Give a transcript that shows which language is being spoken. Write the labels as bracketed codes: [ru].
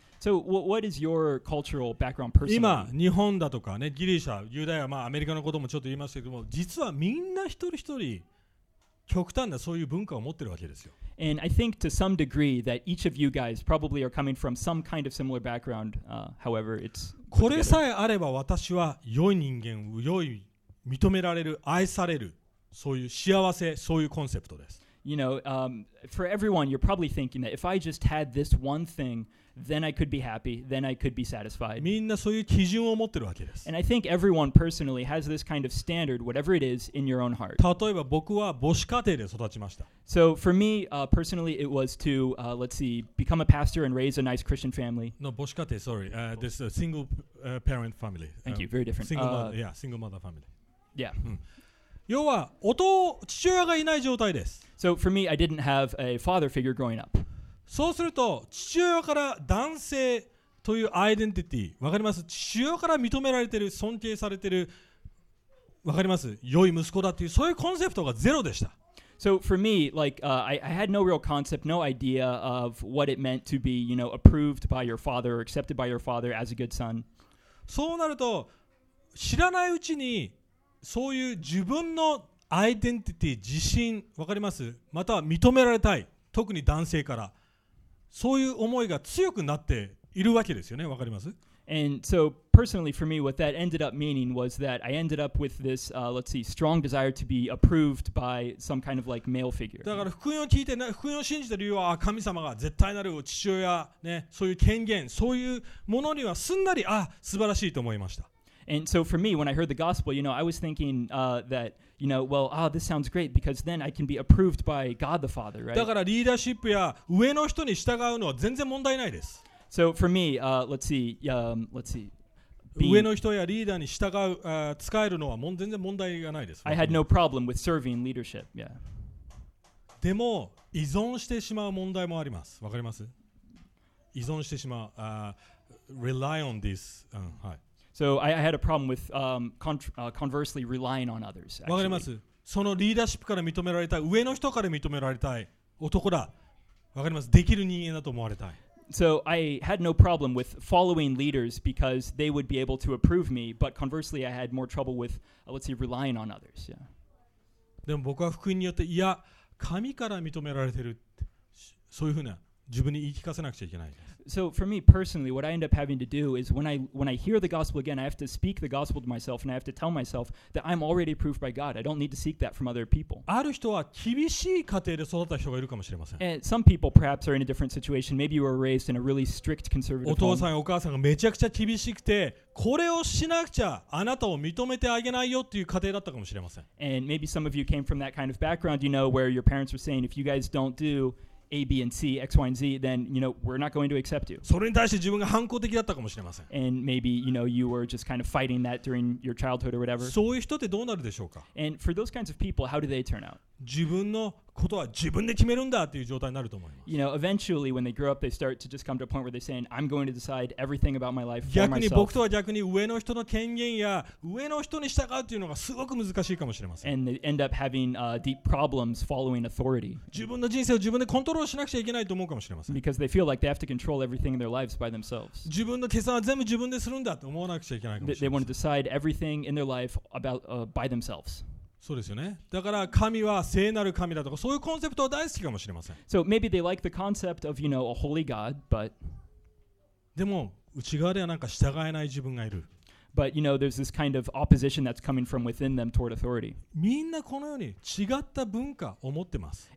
[en] So what is your cultural background personally? [ja] 今、日本だとかね、ギリシャ、ユダヤ、まあアメリカのこともちょっと言いましたけども、実はみんな一人一人極端なそういう文化を持ってるわけですよ。 [en] And I think to some degree that each of you guys probably are coming from some kind of similar background, however it's [ja] これさえあれば私は良い人間、良い認められる、愛される、そういう幸せ、そういうコンセプトです。 [en] You know, for everyone, you're probably thinking that if I just had this one thing, then I could be happy, then I could be satisfied. [ja] みんなそういう基準を持ってるわけです。 [en] And I think everyone personally has this kind of standard, whatever it is, in your own heart. [ja] 例えば僕は母子家庭で育ちました。 [en] So for me, personally, it was to, let's see, become a pastor and raise a nice Christian family. No, 母子家庭, sorry. This is a single parent family. Thank you, very different. Single mother, yeah, single mother family. Yeah. [ja] 要は父親がいない状態です。 [en] So for me, I didn't have a father figure growing up. [ja] そうすると父親から男性というアイデンティティ、わかります？父親から認められている、尊敬されている、わかります？良い息子だというそういうコンセプトがゼロでした。 [en] So for me, like, I had no real concept, no idea of what it meant to be, you know, approved by your father or accepted by your father as a good son. [ja] そうなると知らないうちにそういう自分のアイデンティティ、自信、わかります？または認められたい、特に男性から、そういう思いが強くなっているわけですよね、わかります？ [en] And so, personally for me, what that ended up meaning was that I ended up with this, let's see, strong desire to be approved by some kind of like male figure. [ja] だから福音を聞いて、福音を信じた理由は、神様が絶対なる父親、ね、そういう権限、そういうものにはすんなり、あ、素晴らしいと思いました。 [en] And so for me, when I heard the gospel, you know, I was thinking that, you know, well, ah, this sounds great because then I can be approved by God the Father, right? [ja] だからリーダーシップや上の人に従うのは全然問題ないです。 [en] So for me, let's see. [ja] 上の人やリーダーに従う、使えるのは全然問題がないです。 [en] I had no problem with serving leadership, yeah. [ja] でも依存してしまう問題もあります。わかります？依存してしまう、 [en] rely on this, [ja] はい。 [en] So I had a problem with conversely relying on others. [ja] わかります。そのリーダーシップから認められたい、上の人から認められたい男だ。わかります。できる人間だと思われたい。 [en] So I had no problem with following leaders because they would be able to approve me. But conversely, I had more trouble with let's see relying on others. Yeah. [ja] でも僕は福音によっていや神から認められてる、そういうふうな自分に言い聞かせなくちゃいけない。 [en] So for me personally, what I end up having to do is when I hear the gospel again, I have to speak the gospel to myself and I have to tell myself that I'm already approved by God. I don't need to seek that from other people. [ja] ある人は厳しい家庭で育った人がいるかもしれません。 [en] And some people perhaps are in a different situation. Maybe you were raised in a really strict conservative home. [ja] お父さんやお母さんがめちゃくちゃ厳しくて、これをしなくちゃあなたを認めてあげないよっていう家庭だったかもしれません。 [en] And maybe some of you came from that kind of background, you know, where your parents were saying, if you guys don't do... A, B, and C, X, Y, and Z, then, you know, we're not going to accept you. [ja] それに対して自分が反抗的だったかもしれません。 [en] And maybe, you know, you were just kind of fighting that during your childhood or whatever. [ja] そういう人ってどうなるでしょうか? [en] And for those kinds of people, how do they turn out? [ja] 自分のことは自分で決めるんだっていう状態になると思います。 [en] You know, eventually, when they grow up, they start to just come to a point where they're saying, I'm going to decide everything about my life for myself. [ja] 逆に僕とは逆に上の人の権限や上の人に従うっていうのがすごく難しいかもしれません。 [en] And they end up having deep problems following authority. [ja] 自分の人生を自分でコントロールしなくちゃいけないと思うかもしれません。 [en] Because they feel like they have to control everything in their lives by themselves. [ja] 自分の決断は全部自分でするんだと思わなくちゃいけないかもしれません。 [en] They want to decide everything in their life about, by themselves. [ja] そうですよね。だから神は聖なる神だとかそういうコンセプトは大好きかもしれません。 [en] So maybe they like the concept of, you know, a holy God, but [ja] でも内側ではなんか従えない自分がいる。 [en] But you know, there's this kind of opposition that's coming from within them toward authority. [ja] みんなこのように違った文化を持ってます。